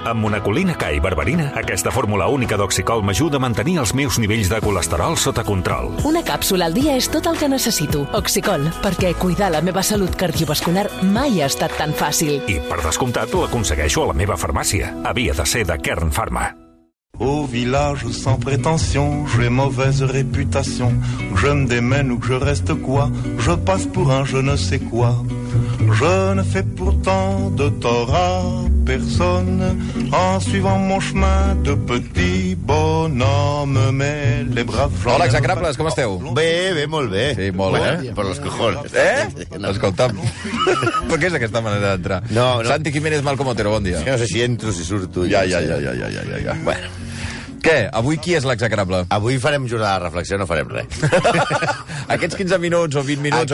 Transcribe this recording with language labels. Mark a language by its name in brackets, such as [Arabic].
[Catalan] Amb una colina K i berberina, aquesta fórmula única d'Oxicol m'ajuda a mantenir els meus nivells de colesterol sota control. Una càpsula al dia és tot el que necessito. Oxicol, perquè cuidar la meva salut cardiovascular mai ha estat tan fàcil. I, per descomptat, l'aconsegueixo a la meva farmàcia. Havia de ser de Kern Pharma. [French] Au village sans prétention, j'ai mauvaise réputation. Je me démène ou que je reste quoi? Je passe pour un je ne sais quoi. Je ne fais pourtant de tort à personne en suivant mon chemin de petit bonhomme, mais les braves gens... [Catalan] Hola, exagrables, com esteu? Bé, bé, molt bé. Sí, molt bé. Per los cojones. No. Escolta'm, per què és aquesta manera d'entrar? No. Santi Jiménez Malcom Otero, bon dia. No sé si entro, si surto. Ja. Bueno. Què? Avui qui és l'execrable? Avui farem jornada de reflexió, no farem res. Aquests 15 minuts o 20 minuts